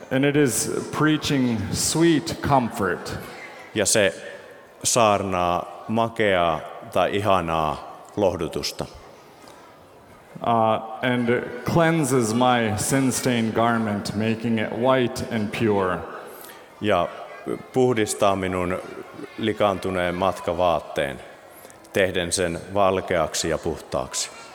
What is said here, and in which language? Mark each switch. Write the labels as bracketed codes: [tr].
[en] And it is preaching sweet comfort. [fi] Ja se saarnaa makeaa tai ihanaa lohdutusta. [en] And cleanses my sin-stained garment, making it white and pure. [fi] Ja puhdistaa minun likaantuneen matkavaatteen, tehden sen valkeaksi ja puhtaaksi.